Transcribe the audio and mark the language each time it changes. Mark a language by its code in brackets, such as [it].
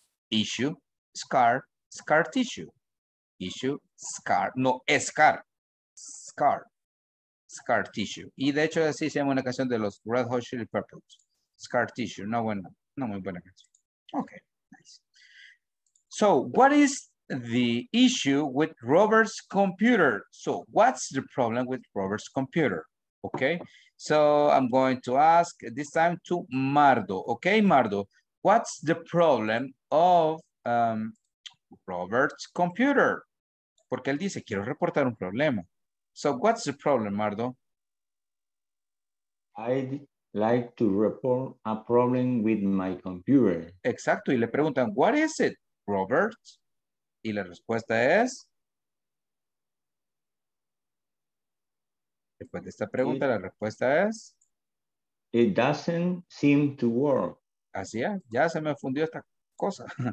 [en] Issue, scar tissue. Issue, scar, no, scar. Scar. Scar tissue. [es] Y de hecho así se llama una canción de los Red Hot Chili Peppers. Scar tissue, no buena, no muy buena canción. [en] Okay, nice. So, what is the issue with Robert's computer? So, what's the problem with Robert's computer? Okay, so I'm going to ask this time to Mardo. Okay, Mardo, what's the problem of Robert's computer? [es] Porque él dice, quiero reportar un problema. [en] So, what's the problem, Mardo? I'd like to report a problem with my computer. [es] Exacto, y le preguntan, [en] what is it, Robert? [es] Y la respuesta es, después de esta pregunta, la respuesta es, [en] it doesn't seem to work. [es] Así es, ya se me fundió esta cosa.